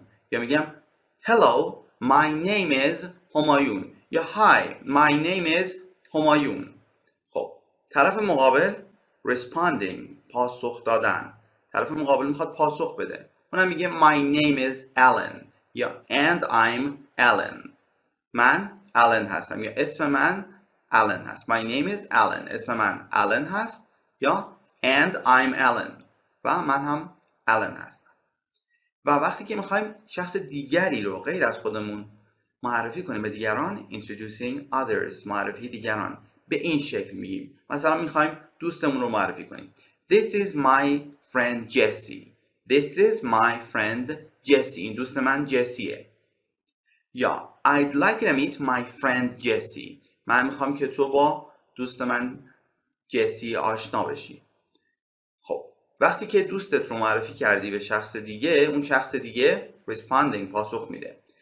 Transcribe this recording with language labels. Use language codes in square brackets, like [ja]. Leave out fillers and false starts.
[fa] یا میگم [en] Hello, my name is Homayoun. یا Hi, my name is Homayoun. [fa] خب طرف مقابل responding، پاسخ دادن. طرف مقابل میخواد پاسخ بده، اونم میگه [en] My name is Alan. یا And I'm Alan. [fa] من Alan هستم. یا اسم من Alan هست. [en] My name is Alan. [fa] اسم من Alan هست. [en] یا And I'm Alan. [fa] و من هم Alan هستم. و وقتی که میخوایم شخص دیگری رو غیر از خودمون معرفی کنیم به دیگران، [en] introducing others، [fa] معرفی دیگران، به این شکل میگیم. مثلا میخوایم دوستمون رو معرفی کنیم. [en] This is my friend Jesse. This is my friend Jesse. [fa] این دوست من جسیه. [en] یا I'd like to meet my friend Jesse. [fa] من میخوام که تو با دوست من جسی آشنا بشی. خب وقتی که دوستت رو معرفی کردی به شخص دیگه، اون شخص دیگه responding، پاسخ میده.